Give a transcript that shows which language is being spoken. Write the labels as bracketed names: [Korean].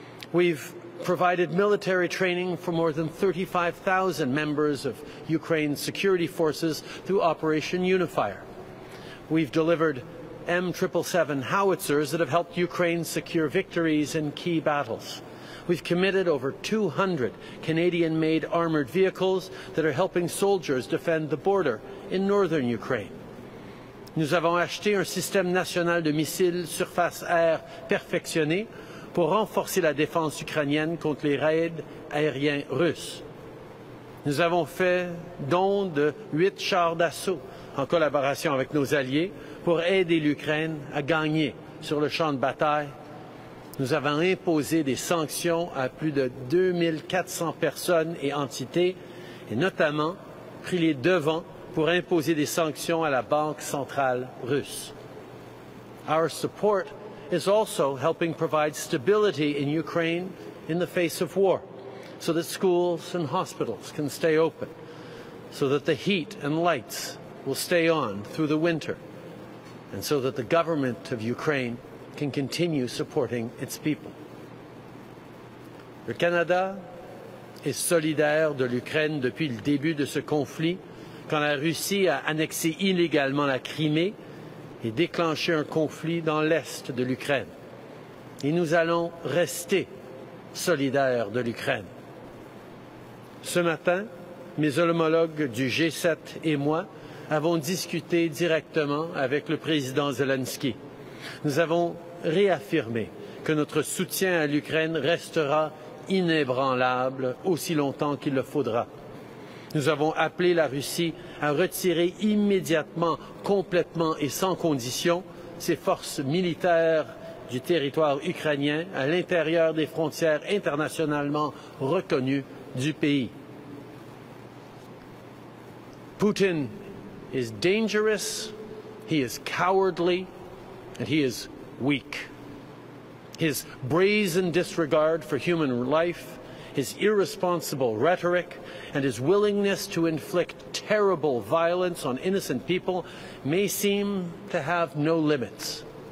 [English] We've provided military training for more than 35,000 members of Ukraine's security forces through Operation Unifier. We've delivered M777 howitzers that have helped Ukraine secure victories in key battles. We've committed over 200 Canadian-made armored vehicles that are helping soldiers defend the border in northern Ukraine. [French] Nous avons acheté un système national de missiles surface air perfectionné pour renforcer la défense ukrainienne contre les raids aériens russes. Nous avons fait don de 8 chars d'assaut en collaboration avec nos alliés pour aider l'Ukraine à gagner sur le champ de bataille. Nous avons imposé des sanctions à plus de 2400 personnes et entités et notamment pris les devants pour imposer des sanctions à la Banque centrale russe. [English] Our support is also helping provide stability in Ukraine in the face of war, so that schools and hospitals can stay open, so that the heat and lights will stay on through the winter, and so that the government of Ukraine can continue supporting its people. [French] Le Canada est solidaire de l'Ukraine depuis le début de ce conflit, quand la Russie a annexé illégalement la Crimée et déclenché un conflit dans l'est de l'Ukraine. Et nous allons rester solidaires de l'Ukraine. Ce matin, mes homologues du G7 et moi avons discuté directement avec le président Zelensky. Nous avons réaffirmé que notre soutien à l'Ukraine restera inébranlable aussi longtemps qu'il le faudra. Nous avons appelé la Russie à retirer immédiatement, complètement et sans condition ses forces militaires du territoire ukrainien à l'intérieur des frontières internationalement reconnues du pays. [English] Putin is dangerous, he is cowardly, and he is weak. His brazen disregard for human life, his irresponsible rhetoric, and his willingness to inflict terrible violence on innocent people may seem to have no limits.